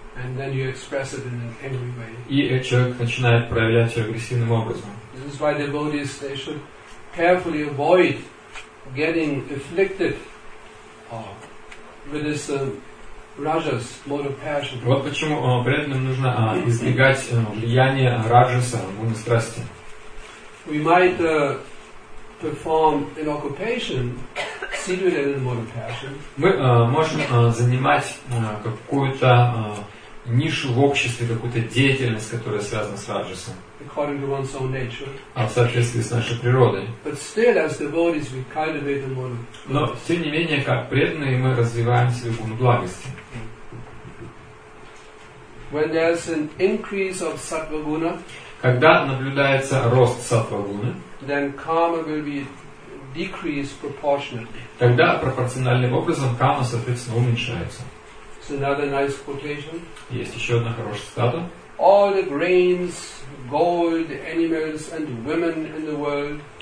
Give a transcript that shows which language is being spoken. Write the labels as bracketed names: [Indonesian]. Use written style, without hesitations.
[English] And then you express it in an angry way. [Russian] И человек начинает проявлять ее агрессивным образом. [English] This is why devotees, they should carefully avoid getting afflicted with this rajas, mode of passion. [Russian] Вот почему преданным нужно избегать влияния раджаса, гуны страсти. [English] We might perform an occupation situated in mode of passion. [Russian] Мы можем занимать какую-то нишу в обществе, какую-то деятельность, которая связана с раджасом. [English] According to one's own nature. [Russian] А в соответствии с нашей природой. [English] But still, as devotees, we cultivate the mode. [Russian] Но тем не менее, как преданные, мы развиваем себе гуну благости. [English] When there's an increase of sattva guna, [Russian] когда наблюдается рост сатва гуны, [English] then karma will be decreased proportionately. [Russian] Тогда пропорциональным образом карма, соответственно, уменьшается. [English] Another nice quotation. [Russian] Есть еще одна хорошая цитата. [English] All the grains, gold, animals, and women in the world.